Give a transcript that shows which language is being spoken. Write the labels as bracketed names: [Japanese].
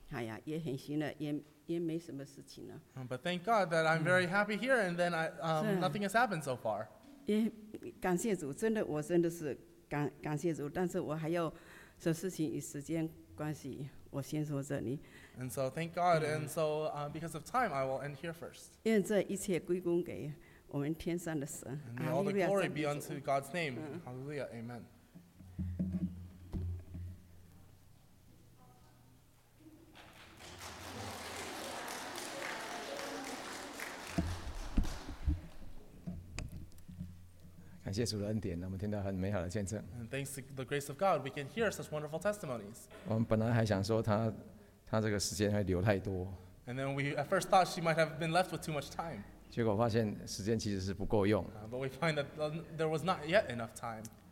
[Chinese] 我行不行啊？这样子我行不行啊？感谢主，我在这里几天，哎呀，也很行了，也没什么事情了。 [English] But thank God that I'm very happy here, and then nothing has happened so far. [Chinese] 也感谢主，真的，我真的是感谢主，但是我还有什么事情，时间关系，我先说这里。 [English] And so thank God, and so because of time, I will end here first. [Chinese] 愿这一切归功给。 [English] And may all the glory be unto God's name. Hallelujah. Amen. And thanks to the grace of God, we can hear such wonderful testimonies. And then we at first thought she might have been left with too much time. [Chinese] 结果发现时间其实是不够用。 [English] But we find that there was not yet enough time.